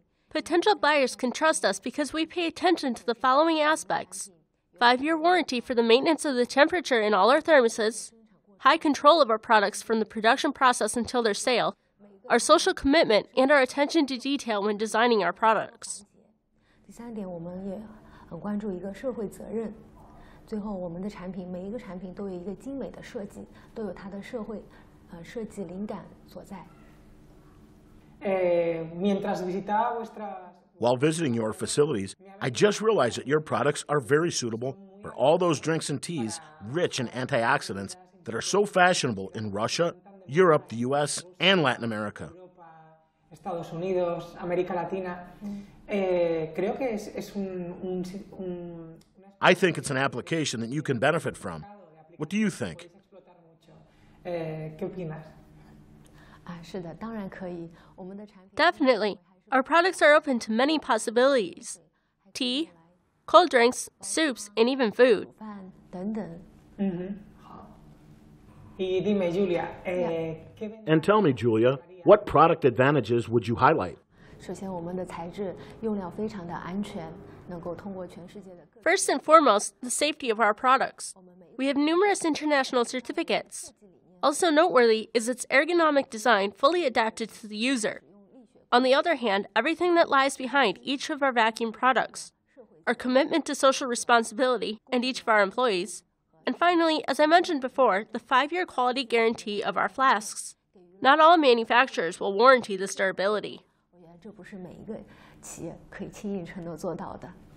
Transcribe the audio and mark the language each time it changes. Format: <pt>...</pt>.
<en>Potential buyers can trust us because we pay attention to the following aspects: 5-year warranty for the maintenance of the temperature in all our thermoses, high control of our products from the production process until their sale, our social commitment, and our attention to detail when designing our products.</en> <zh>第三点，我们也很关注一个社会责任。最后，我们的产品每一个产品都有一个精美的设计，都有它的社会，设计灵感所在。</zh> <en>While visiting your facilities, I just realized that your products are very suitable for all those drinks and teas rich in antioxidants that are so fashionable in Russia, Europe, the U.S., and Latin America.</en> <es>Estados Unidos, América Latina. Creo que es un.</es> <en>I think it's an application that you can benefit from. What do you think?</en> <es>¿Qué opinas?</es> <zh>是的，当然可以。</zh> <en>Definitely. Our products are open to many possibilities. Tea, cold drinks, soups, and even food.</en> <zh>等等。</zh> <es>好。Y dime, Julia.</es> <en>And tell me, Julia, what product advantages would you highlight?</en> <zh>首先，我们的材质用料非常的安全，能够通过全世界的。</zh> <en>First and foremost, the safety of our products. We have numerous international certificates. Also noteworthy is its ergonomic design, fully adapted to the user. On the other hand, everything that lies behind each of our vacuum products, our commitment to social responsibility and each of our employees, and finally, as I mentioned before, the 5-year quality guarantee of our flasks. Not all manufacturers will warranty this durability.</en> <zh>这不是每一个企业可以轻易承诺做到的。</zh>